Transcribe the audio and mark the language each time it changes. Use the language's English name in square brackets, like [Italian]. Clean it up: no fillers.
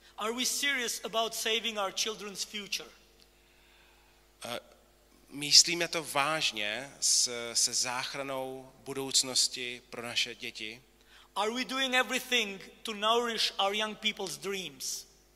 [English] Are we serious about saving our children's future? [Czech] Myslíme to vážně se záchranou budoucnosti pro naše děti? [English] Are we doing everything to nourish our young people's dreams?